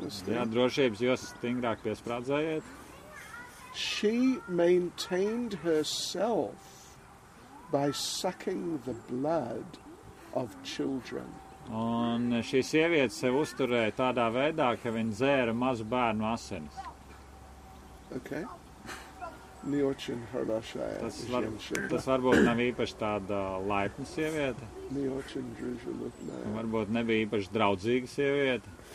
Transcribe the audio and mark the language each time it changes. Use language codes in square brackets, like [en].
[lv] Jā, drošības jūs stingrāk piesprādzējiet. [en] She maintained herself by sucking the blood of children. [lv] Un šī sieviete sev uzturēja tādā veidā, ka viņa dzēra mazu bērnu asinis. [en] Okay. [ru] Не очень хорошая женщина. [lv] Tas varbūt nav īpaši tāda laipna sieviete. [ru] Не очень дружелюбная. [lv] Varbūt nebija īpaši draudzīga sieviete.